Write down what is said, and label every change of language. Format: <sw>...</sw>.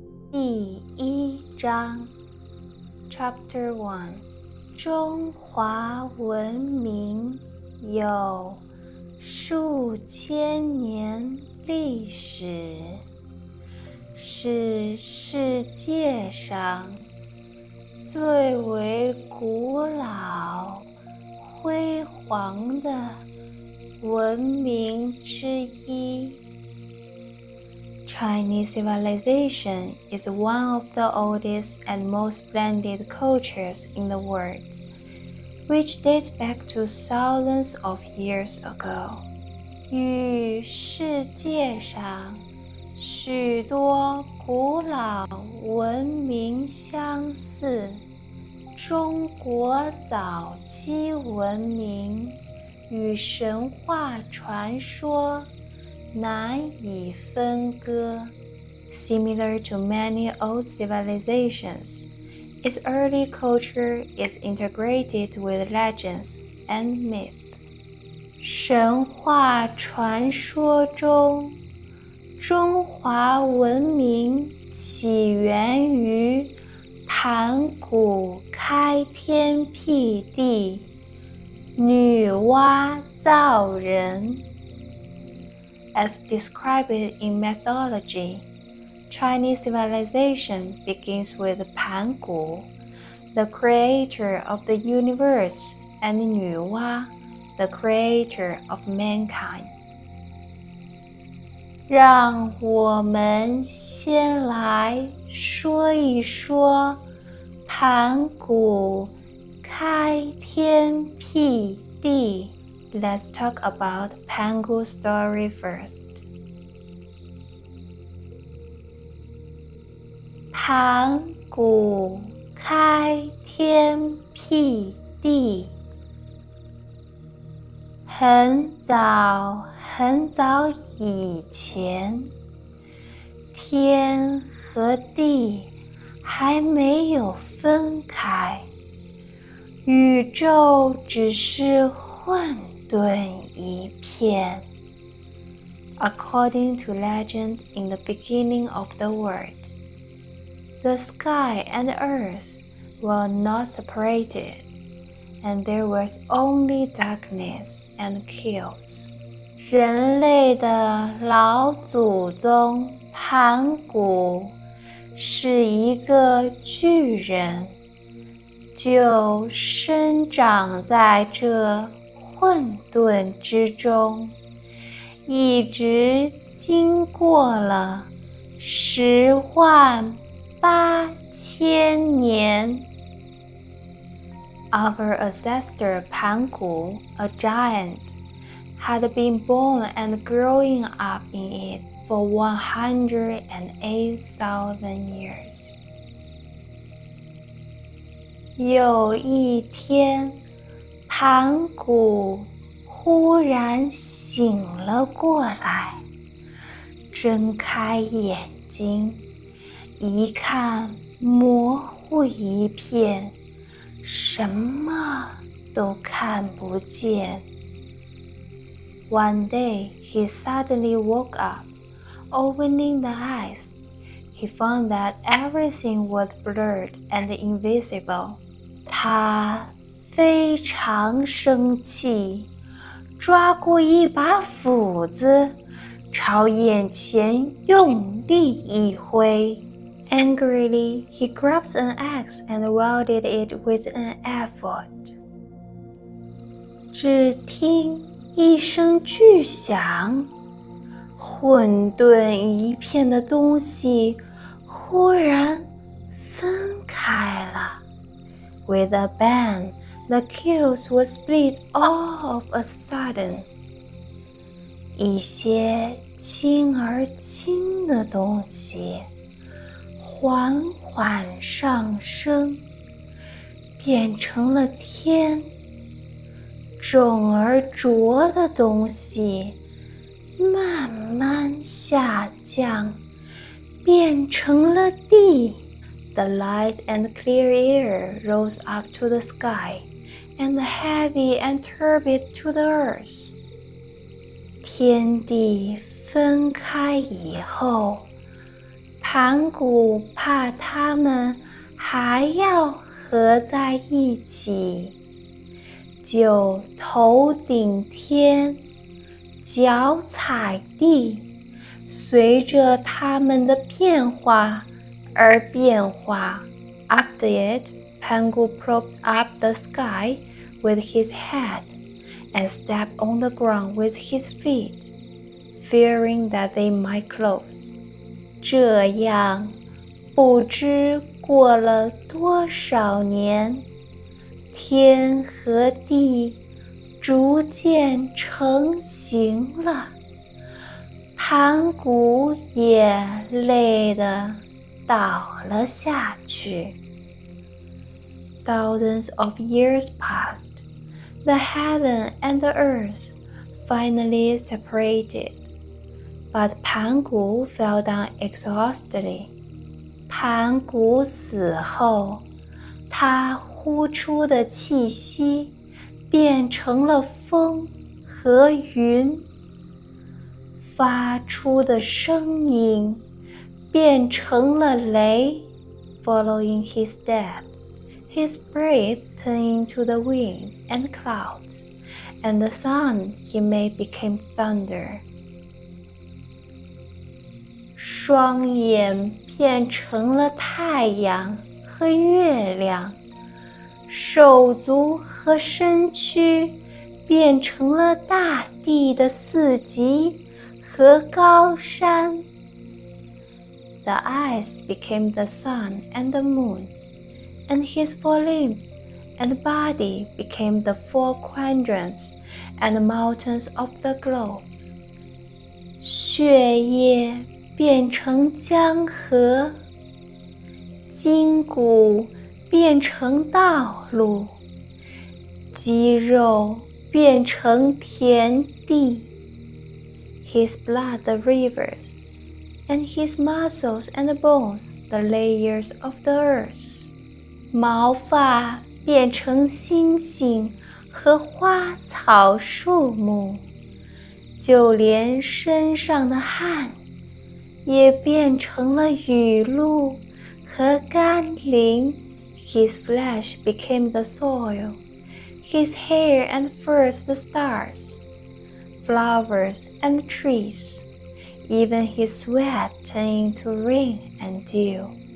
<zh>第一章</zh> <en>Chapter 1</en> <zh>中华文明有数千年历史，是世界上最为古老辉煌的文明之一。</zh> <en>Chinese civilization is one of the oldest and most splendid cultures in the world, which dates back to thousands of years ago.</en> <zh>与世界上许多古老文明相似，中国早期文明与神话传说难以分割。</zh> <en>Similar to many old civilizations, its early culture is integrated with legends and myths.</en> <zh>神话传说中，中华文明起源于盘古开天辟地，女娲造人。</zh> <en>As described in mythology, Chinese civilization begins with Pángǔ, the creator of the universe, and 女娲, the creator of mankind.</en> <zh>让我们先来说一说盘古开天辟地。</zh> <en>Let's talk about Pangu's story first.</en> <zh>盘古开天辟地，很早很早以前，天和地还没有分开，宇宙只是混沌一片。</zh> <en>According to legend, in the beginning of the world, the sky and earth were not separated, and there was only darkness and chaos.</en> <zh>人类的老祖宗盘古是一个巨人，就生长在这混沌之中，一直经过了十万八千年。</zh> <en>Our ancestor Pángǔ, a giant, had been born and growing up in it for 108,000 years.</en> <zh>有一天，盘古忽然醒了过来，睁开眼睛，一看模糊一片，什么都看不见。</zh> <en>One day, he suddenly woke up. Opening the eyes, he found that everything was blurred and invisible.</en> <zh>他非常生气，抓过一把斧子，朝眼前用力一挥。</zh> <en>Angrily, he grabbed an axe and wielded it with an effort.</en> <zh>只听一声巨响，混沌一片的东西忽然分开了。</zh> <en>With a bang, the cubes were split all of a sudden.</en> <zh>一些轻而轻的东西缓缓上升，变成了天。重而浊的东西慢慢下降，变成了地。</zh> <en>The light and clear air rose up to the sky, and the heavy and turbid to the earth.</en> <zh>天地分开以后，盘古怕他们还要合在一起，就头顶天，脚踩地，随着他们的变化而变化。</zh> <en>After it, Pángǔ propped up the sky with his head and stepped on the ground with his feet, fearing that they might close.</en> <zh>这样不知过了多少年，天和地逐渐成形了。盘古也累得倒了下去。</zh> <en>Thousands of years passed. The heaven and the earth finally separated. But Pángǔ fell down exhaustedly.</en> <zh>盘古死后，他呼出的气息变成了风和云，发出的声音变成了雷。</zh> <en>Following his death, his breath turned into the wind and clouds, and the sound he made became thunder.</en> <zh>双眼变成了太阳和月亮，手足和身躯变成了大地的四极和高山。</zh> <en>The eyes became the sun and the moon, and his four limbs and body became the four quadrants and mountains of the globe.</en> <zh>血液变成江河，筋骨变成道路，肌肉变成田地。</zh> <en>His blood the rivers,and his muscles and bones, the layers of the earth.</en> <zh>毛发变成星星和花草树木，就连身上的汗也变成了雨露和甘霖。</zh> <en>His flesh became the soil, his hair and fur the stars, flowers and trees. Even his sweat turned to rain and dew.</en>